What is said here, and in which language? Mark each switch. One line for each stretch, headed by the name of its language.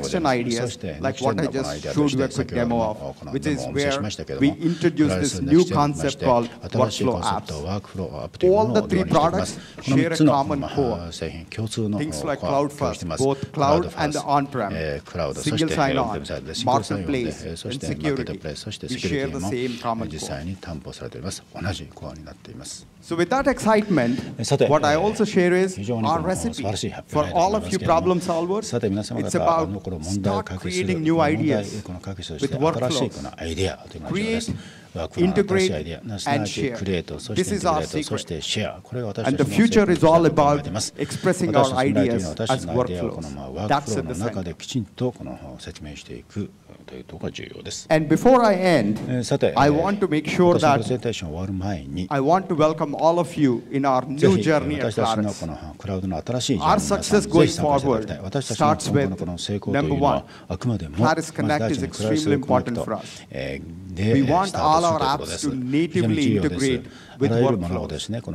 Japanese: そして、こちらのアイデアとして、先ほどのこのデモをお見せしましたけれども、クラリスに出演しまして、新しいコンセプトワークフローアップというものを導入しています。この3つの製品、共通のコアを使っています。クラウドファース、クラウド、そしてウェブサイト、シングルサインオンで、そしてマーケットプレイス、そしてセキュリティも実際に担保されています。同じコアになっています。
English: So with that excitement, what I also share is our recipe for all of you problem solvers. It's about start creating new ideas with workflows, create, integrate, and share. This is our secret. And the future is all about expressing our ideas as workflows. That's in the sense.
Japanese: というところが重要です。
English: And before I end,
Japanese: さて、
English: I want to make sure that
Japanese: 私のプレゼンテーション終わる前に、
English: I want to welcome all of you in our new journey at Claris.
Japanese: 私たちのこのクラウドの新しいジャーニーに参加していただきたい。
English: Our success going forward starts with
Japanese: この成功というのはあくまでも
English: Claris Connect is extremely important for us. We want all our apps to natively integrate with workflows.